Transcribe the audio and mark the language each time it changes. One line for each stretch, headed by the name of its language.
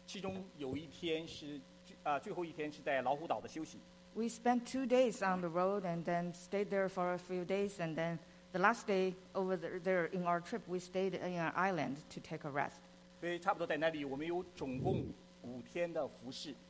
Chinese: 其中有一天是最后一天是在老虎岛的休息。
English: We spent 2 days on the road and then stayed there for a few days and then the last day over there in our trip we stayed in an island to take a rest.
Chinese: 所以差不多在那里我们有总共5天的服侍。